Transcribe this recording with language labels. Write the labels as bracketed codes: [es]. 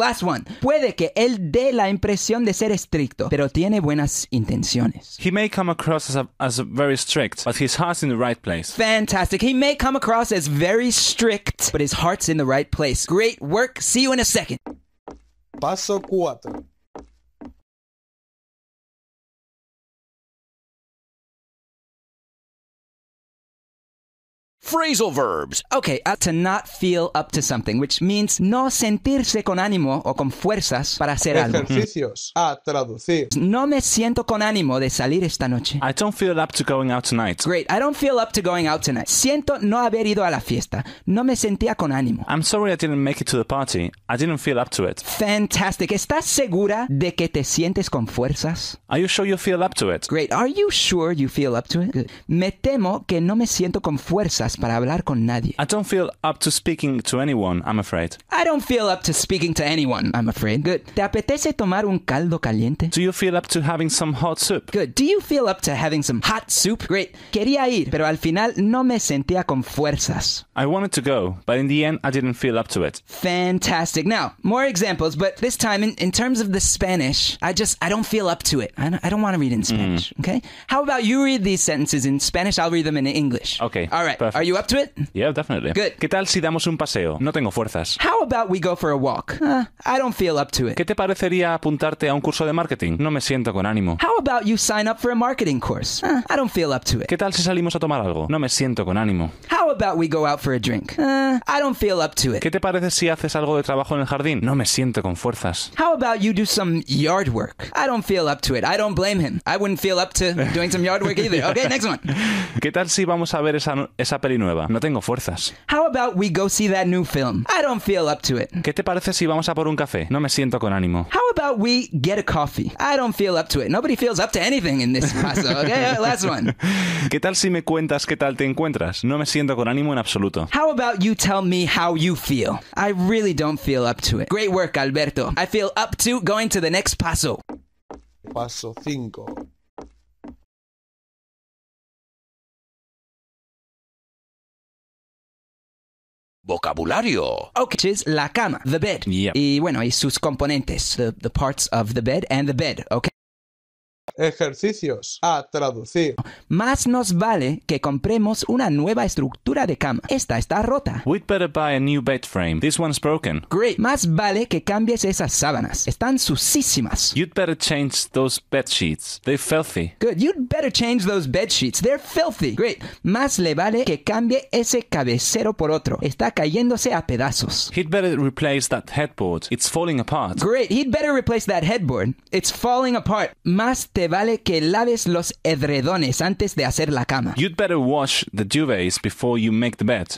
[en] Last one. [es] Puede que él dé la impresión de ser estricto, pero tiene buenas intenciones. [en] He may come across as a very strict, but his heart's in the right place. Fantastic. He may come across as very strict, but his heart's in the right place. Great work. See you in a second. [es] Paso 4. [en] Phrasal verbs. Okay, to not feel up to something, which means [es] no sentirse con ánimo o con fuerzas para hacer algo. Ejercicios a traducir. No me siento con ánimo de salir esta noche. [en] I don't feel up to going out tonight. Great, I don't feel up to going out tonight. [es] Siento no haber ido a la fiesta. No me sentía con ánimo. [en] I'm sorry I didn't make it to the party. I didn't feel up to it. Fantastic. [es] ¿Estás segura de que te sientes con fuerzas? [en] Are you sure you feel up to it? Great, are you sure you feel up to it? Good. [es] Me temo que no me siento con fuerzas para hablar con nadie. [en] I don't feel up to speaking to anyone, I'm afraid. I don't feel up to speaking to anyone, I'm afraid. [es] Good. ¿Te apetece tomar un caldo caliente? [en] Do you feel up to having some hot soup? Good. Do you feel up to having some hot soup? Great. [es] Quería ir, pero al final no me sentía con fuerzas. [en] I wanted to go, but in the end I didn't feel up to it. Fantastic. Now, more examples, but this time in terms of the Spanish, I don't feel up to it. I don't want to read in Spanish, okay? How about you read these sentences in Spanish, I'll read them in English. Okay. All right. Perfect. Are you up to it? Yeah, definitely. Good. [es] ¿Qué tal si damos un paseo? No tengo fuerzas. [en] How about we go for a walk? I don't feel up to it. [es] ¿Qué te parecería apuntarte a un curso de marketing? No me siento con ánimo. [en] How about you sign up for a marketing course? I don't feel up to it. [es] ¿Qué tal si salimos a tomar algo? No me siento con ánimo. [en] How about we go out for a drink? I don't feel up to it. [es] ¿Qué te parece si haces algo de trabajo en el jardín? No me siento con fuerzas. [en] How about you do some yard work? I don't feel up to it. I don't blame him. I wouldn't feel up to doing some yard work either. Okay, next one. [es] ¿Qué tal si vamos a ver esa peli nueva? No tengo fuerzas. [en] How about we go see that new film? I don't feel up to it. [es] ¿Qué te parece si vamos a por un café? No me siento con ánimo. [en] How about we get a coffee? I don't feel up to it. Nobody feels up to anything in this paso. Okay, last one. [es] ¿Qué tal si me cuentas qué tal te encuentras? No me siento con ánimo en absoluto. [en] How about you tell me how you feel? I really don't feel up to it. Great work, Alberto. I feel up to going to the next paso. [es] Paso 5. Vocabulario. [en] Okay, which is la cama, the bed. Yeah. [es] Y bueno, y sus componentes, [en] the parts of the bed and the bed, okay? [es] Ejercicios a traducir. Más nos vale que compremos una nueva estructura de cama. Esta está rota. [en] We'd better buy a new bed frame. This one's broken. [es] Great. Más vale que cambies esas sábanas. Están sucísimas. [en] You'd better change those bed sheets. They're filthy. Good. You'd better change those bed sheets. They're filthy. Great. [es] Más le vale que cambie ese cabecero por otro. Está cayéndose a pedazos. [en] He'd better replace that headboard. It's falling apart. Great. He'd better replace that headboard. It's falling apart. [es] Más te vale que laves los edredones antes de hacer la cama. [en] You'd better wash the duvets before you make the bed.